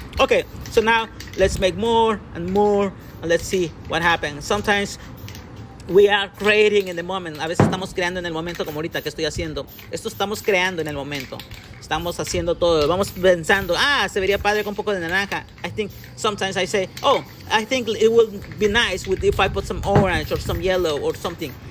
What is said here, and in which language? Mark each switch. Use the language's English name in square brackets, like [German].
[English] Okay, so now let's make more and more, and let's see what happens. Sometimes we are creating in the moment. [Spanish] A veces estamos creando en el momento, como ahorita que estoy haciendo. Esto estamos creando en el momento. Estamos haciendo todo, vamos pensando, se vería padre con un poco de naranja. [English] I think sometimes I say, I think it would be nice if I put some orange or some yellow or something.